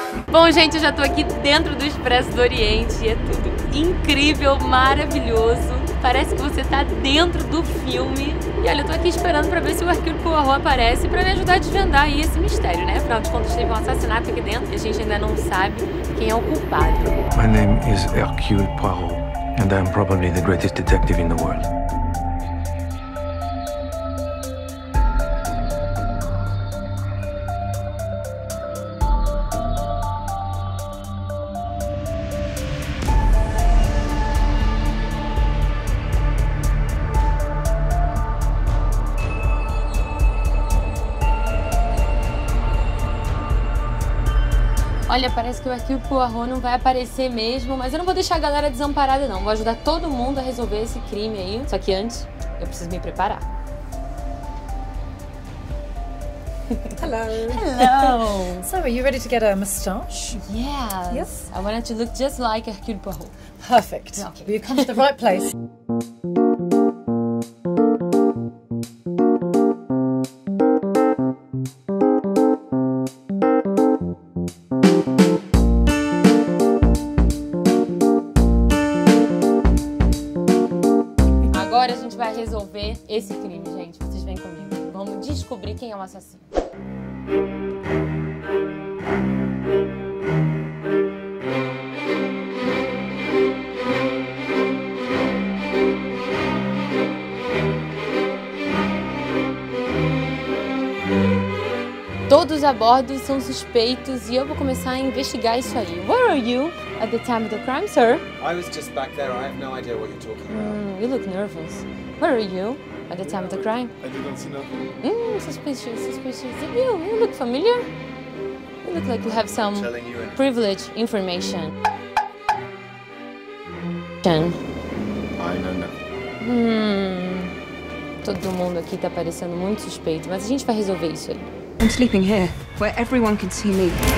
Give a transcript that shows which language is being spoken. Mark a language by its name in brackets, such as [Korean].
[Portuguese] Bom, gente, eu já tô aqui dentro do Expresso do Oriente e é tudo incrível, maravilhoso. Parece que você tá dentro do filme. E olha, eu tô aqui esperando pra ver se o Hercule Poirot aparece pra me ajudar a desvendar aí esse mistério, né? Afinal de contas, teve um assassinato aqui dentro e a gente ainda não sabe quem é o culpado. [English] My name is Hercule Poirot and I'm probably the greatest detective in the world. [Portuguese] Olha, parece que o Hercule Poirot não vai aparecer mesmo, mas eu não vou deixar a galera desamparada, não. Vou ajudar todo mundo a resolver esse crime aí. Só que antes, eu preciso me preparar. [English] Hello. Hello. So, are you ready to get a moustache? Yes. Yes. I want it to look just like Hercule Poirot. Perfect. Okay. We've come to the right place. [Portuguese] Agora a gente vai resolver esse crime, gente. Vocês vêm comigo. Vamos descobrir quem é o assassino. Todos a bordo são suspeitos e eu vou começar a investigar isso aí. [English] Where are you at the time of the crime, sir? I was just back there. I have no idea what you're talking about. You look nervous. Where are you at the time of the crime? I didn't see nothing. Suspicious. You look familiar. You look like you have some privileged information. I know nothing. [Portuguese] Todo mundo aqui tá parecendo muito suspeito, mas a gente vai resolver isso aí. [English] I'm sleeping here, where everyone can see me.